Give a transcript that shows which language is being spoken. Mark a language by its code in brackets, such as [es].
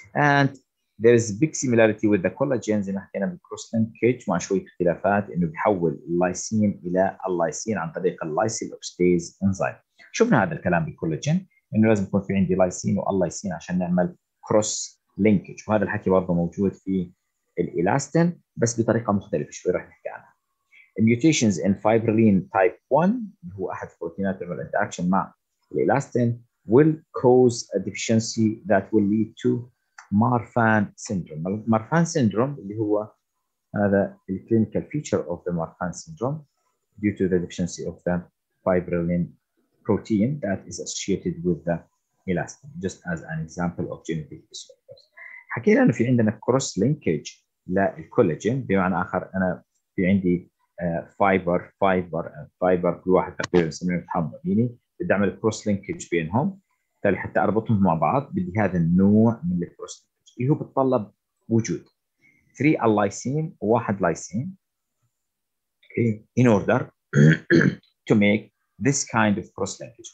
[en] And there is big similarity with the collagen [ar] زي ما حكينا بالكروس لينكج، مع شويه اختلافات انه بيحول اللايسين الى اللايسين عن طريق اللايسين اوكستيز انزيم. شفنا هذا الكلام بالكولاجين انه لازم يكون في عندي لايسين واللايسين عشان نعمل كروس لينكج، وهذا الحكي برضه موجود في الالاستين بس بطريقه مختلفه شوي راح نحكي عنها. [en] Mutations in fibrillin type 1 [ar] اللي هو احد البروتينات اللي تعمل انتراكشن مع الالاستين [en] will cause a deficiency that will lead to Marfan syndrome. Marfan syndrome [ar] اللي هو هذا [en] الكلينيكال feature of the Marfan syndrome due to the deficiency of the fibrillin protein that is associated with the elastin just as an example of genetic disorders. [ar] حكينا انه في عندنا كروس لينكج للكولاجين، بمعنى اخر انا في عندي فايبر كل واحد تقريبا بنسميه متحمر، يعني بدي اعمل كروس لينكج بينهم بالتالي حتى اربطهم مع بعض، بدي هذا النوع من الكروس لينكج اللي هو بتطلب وجود 3 اللايسين وواحد لايسين [en] in order to make this kind of cross linkage.